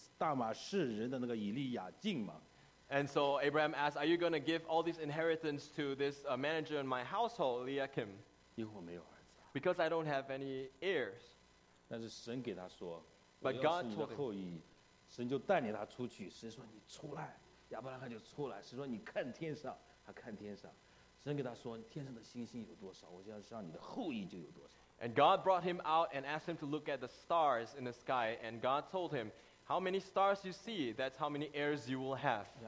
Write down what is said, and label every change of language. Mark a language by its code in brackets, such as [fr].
[zh] 亚伯拉罕就对神说：“主啊，难道你要赐给我在我家里那个大马士人的那个以利亚敬吗？” [en] And so Abraham asked, are you going to give all this inheritance to this manager in my household, Eliakim? Because I don't have any heirs. [zh] 但是神给他说, [en] but God told him, [zh] 神就带你他出去，神说你出来，亚伯拉罕就出来，神说你看天上，他看天上，神给他说天上的星星有多少，我就要让你的后裔就有多少。 [en] And God brought him out and asked him to look at the stars in the sky, and God told him, how many stars you see, that's how many heirs you will have.